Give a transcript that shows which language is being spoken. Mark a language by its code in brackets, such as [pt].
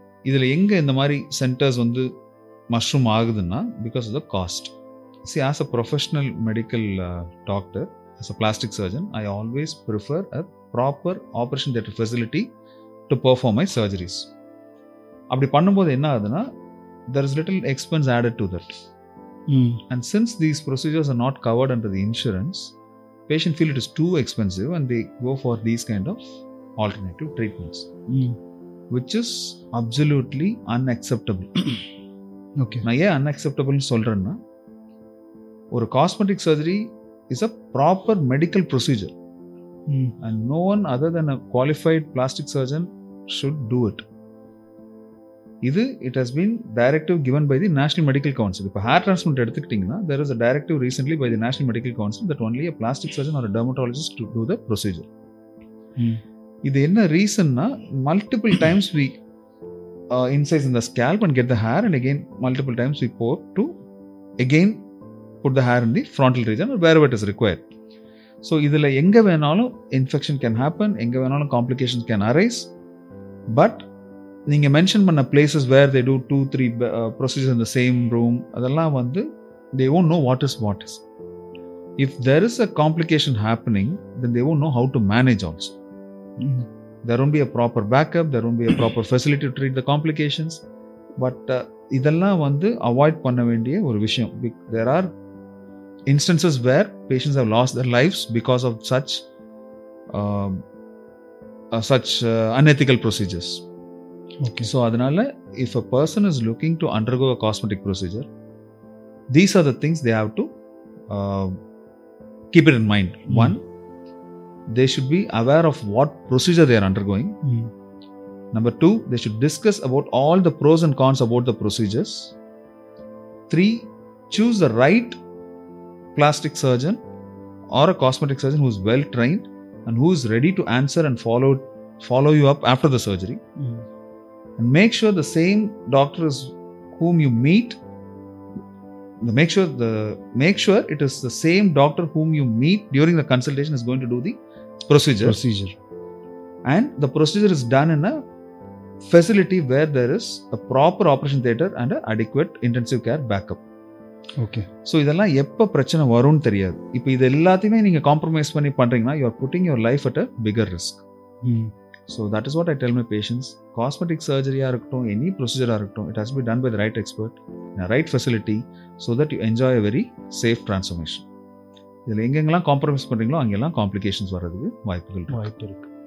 [ta] இதில் எங்கே இந்த மாதிரி சென்டர்ஸ் வந்து மஷ்ரூம் ஆகுதுன்னா, [en] Because of the cost. See, as a professional medical doctor, as a plastic surgeon, I always prefer a proper operation theatre facility to perform my surgeries. [ta] அப்படி பண்ணும்போது என்ன ஆகுதுன்னா, [en] There is little expense added to that. And since these procedures are not covered under the insurance, patient feel it is too expensive and they go for these kind of alternative treatments, which is absolutely unacceptable. Okay. Now, yeah, unacceptable [ta] nu solrana, [en] or cosmetic surgery is a proper medical procedure. And no one other than a qualified plastic surgeon should do it. இது it has been directive given by the national medical council. [ta] இப்போ hair ட்ரான்ஸ்மெண்ட் எடுத்துக்கிட்டிங்கன்னா, [en] There is a directive recently by the national medical council that only a plastic surgeon or dermatologist to do the procedure. [ta] இது என்ன ரீசன்னா, [en] Multiple times we incise இந்த scalp and get the hair and again multiple times we bore to again put the hair in the frontal region or where it is required. So [ta] இதில் எங்கே வேணாலும் [en] Infection can happen, எங்கே வேணாலும் complication can arise. But [ta] நீங்கள் mention பண்ண [en] Places where they do two three procedure இந்த same room, அதெல்லாம் வந்து they won't know what is what is. If there is a complication happening, then they won't know how to manage also. There won be a proper backup, there won be a proper facility to treat the complications. [ta] But இதெல்லாம் வந்து avoid பண்ண வேண்டிய ஒரு விஷயம். [en] There are instances where patients have lost their lifes because of such unethical procedures. Okay. So, [ta] adanal, [en] if a person is looking to undergo a cosmetic procedure, these are the things they have to keep it in mind. One, they should be aware of what procedure they are undergoing. Number two, they should discuss about all the pros and cons about the procedures. Three, choose the right plastic surgeon or a cosmetic surgeon who is well trained and who is ready to answer and follow you up after the surgery. And make sure the same doctors whom you meet, make sure it is the same doctor whom you meet during the consultation is going to do the procedure. And the procedure is done in a facility where there is a proper operation theater and an adequate intensive care backup. Okay. [ta] So, இதெல்லாம் எப்போ பிரச்சனை வரும்னு தெரியாது. இப்போ இது எல்லாத்தையுமே நீங்கள் compromise பண்ணி பண்ணுறீங்கன்னா, [en] You are putting your life at a bigger risk. So that is what I tell my patients. Cosmetic surgery [ta] aarukkum, [en] any procedure aarukkum, it has to be done by the right expert in a right facility so that you enjoy a very safe transformation. [ta] இதில் எங்கெங்கெல்லாம் compromise பண்ணுறீங்களோ அங்கெல்லாம் complications வர்றதுக்கு வாய்ப்பு இருக்கு.